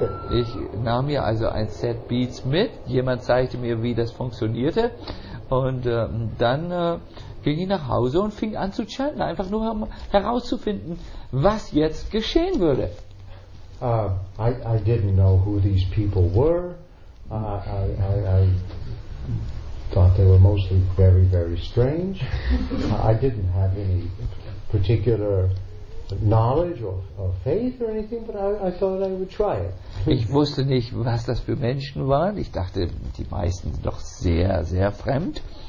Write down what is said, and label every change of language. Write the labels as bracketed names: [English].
[German] Ich nahm mir also ein Set Beats mit, jemand zeigte mir, wie das funktionierte, und dann ging ich nach Hause und fing an zu chanten, einfach nur herauszufinden, was jetzt geschehen würde. [English] I didn't know who these people were. I thought they were mostly very, very strange. I didn't have any particular knowledge or faith or anything, but I thought I would try it. [German] Ich wusste nicht, was das für Menschen waren. Ich dachte, die meisten sind doch sehr, sehr fremd.